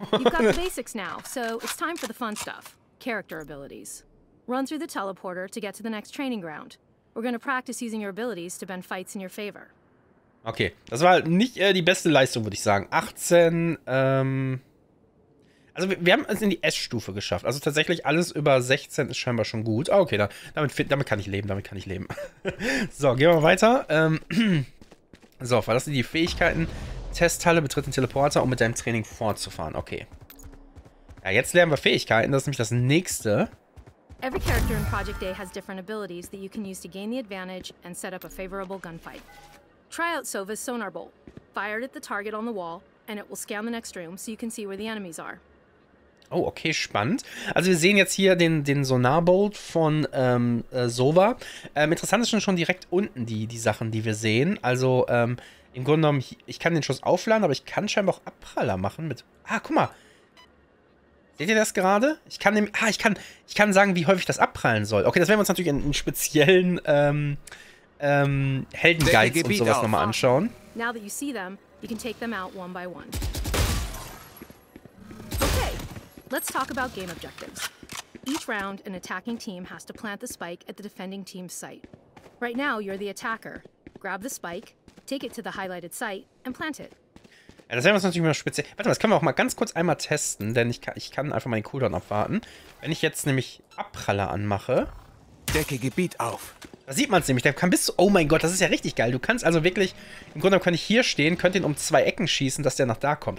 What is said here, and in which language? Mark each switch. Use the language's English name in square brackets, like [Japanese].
[English] You've got the basics now, so it's time for the fun stuff. Character abilities. Run through the teleporter to get to the next training ground. We're gonna practice using your abilities to bend fights in your favor. [German] Okay, das war nicht die beste Leistung, würde ich sagen. 18, also wir haben es in die S-Stufe geschafft. Also tatsächlich alles über 16 ist scheinbar schon gut. Oh, okay, damit kann ich leben, damit kann ich leben. So, gehen wir weiter. So, verlassen die Fähigkeiten. Testhalle, betritt den Teleporter, um mit deinem Training fortzufahren. Okay. Ja, jetzt lernen wir Fähigkeiten, das ist nämlich das nächste. [English] Every character in Project A has different abilities that you can use to gain the advantage and set up a favorable gunfight. Try out Sova's sonar bolt. Fire it at the target on the wall and it will scan the next room so you can see where the enemies are. [German] Oh, okay, spannend. Also wir sehen jetzt hier den Sonarbolt von Sova. Interessant ist schon direkt unten die Sachen, die wir sehen. Also im Grunde genommen, ich kann den Schuss aufladen, aber ich kann scheinbar auch Abpraller machen mit... Ah, guck mal. Seht ihr das gerade? Ich kann nämlich... Ah, ich kann sagen, wie häufig das abprallen soll. Okay, das werden wir uns natürlich in speziellen Heldenguides und sowas nochmal anschauen. [English] Now that you see them, you can take them out one by one. Okay, let's talk about game objectives. Each round, an attacking team has to plant the spike at the defending team's site. Right now, you're the attacker. Grab the spike, take it to the highlighted site and plant it. [German] Ja, das werden wir uns natürlich mal speziell... Warte mal, das können wir auch mal ganz kurz einmal testen, denn ich kann einfach meinen Cooldown abwarten. Wenn ich jetzt nämlich Abpraller anmache... Decke Gebiet auf. Da sieht man es nämlich, der kann bis zu... Oh mein Gott, das ist ja richtig geil. Du kannst also wirklich... Im Grunde genommen kann ich hier stehen, könnte ihn um zwei Ecken schießen, dass der nach da kommt.